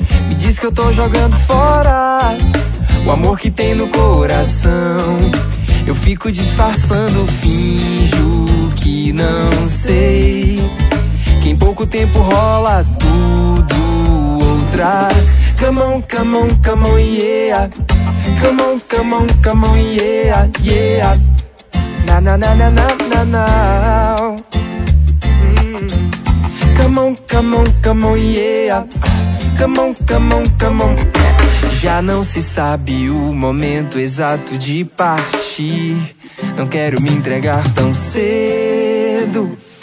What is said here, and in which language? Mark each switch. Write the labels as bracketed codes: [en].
[pt] Me diz que eu tô jogando fora o amor que tem no coração. Eu fico disfarçando, finjo que não sei. Que em pouco tempo rola tudo outra. [en] Come on, come on, come on, yeah. Come on, come on, come on, yeah, yeah. Na na na na na na na. Come on, come on, come on, yeah. Come on, come on, come on. [pt] Já não se sabe o momento exato de partir. Não quero me entregar tão cedo.